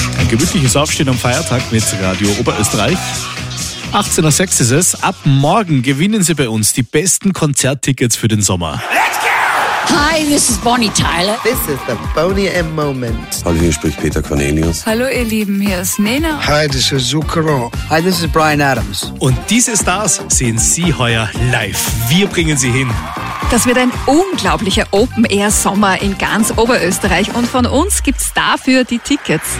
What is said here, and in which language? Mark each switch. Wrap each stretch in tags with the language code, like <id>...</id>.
<de>gemütliches Aufstehen am Feiertag mit Radio Oberösterreich. 18.06 ist es. Ab morgen gewinnen Sie bei uns die besten Konzerttickets für den Sommer.</de> <en>Hi, this is Bonnie Tyler. This is the Bonnie M Moment.</en> <de>Hallo, hier spricht Peter Cornelius. Hallo, ihr Lieben, hier ist Nena.</de> <en>Hi, this is Zuccaro. Hi, this is Brian Adams.</en> <de>Und diese Stars sehen Sie heuer live. Wir bringen sie hin. Das wird ein unglaublicher Open-Air-Sommer in ganz Oberösterreich. Und von uns gibt's dafür die Tickets.</de>